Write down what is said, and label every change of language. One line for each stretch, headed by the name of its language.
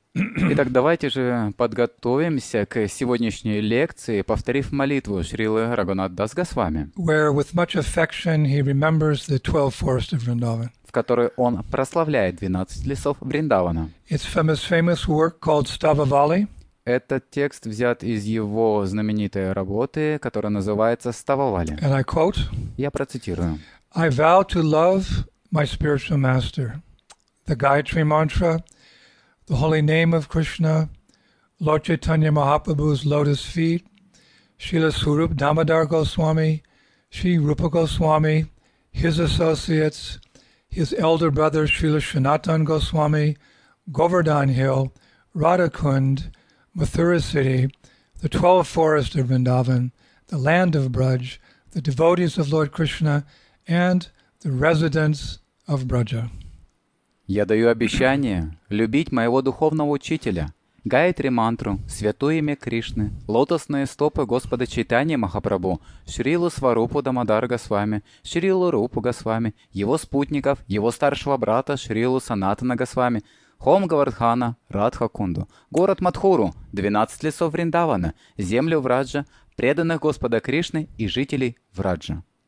Russian: Итак, давайте же подготовимся к сегодняшней лекции, повторив молитву Шрилы Рагхунатха Дас Госвами, в которой он прославляет 12 лесов Вриндавана. Этот текст взят из его знаменитой работы, которая называется «Стававали». Я процитирую.
English: «I vow to love my spiritual master, the Gayatri Mantra, the holy name of Krishna, Lord Chaitanya Mahaprabhu's lotus feet, Srila Swarup Damodar Goswami, Sri Rupa Goswami, his associates, his elder brother Srila Sanatan Goswami, Govardhan Hill, Radhakund, Mathura City, the 12 forests of Vrindavan, the land of Braj, the devotees of Lord Krishna, and the residents of Braja.
Russian: Я даю обещание любить моего духовного учителя, Гаятри Мантру, святое имя Кришны, лотосные стопы Господа Чайтанья Махапрабху, Шрилу Сварупу Дамодар Госвами, Шрилу Рупу Госвами, его спутников, его старшего брата Шрилу Санатана Госвами, Хом Гавардхана, Радха Кунду, город Матхуру, 12 лесов Вриндавана, землю Враджа, преданных Господа Кришны и жителей Враджа.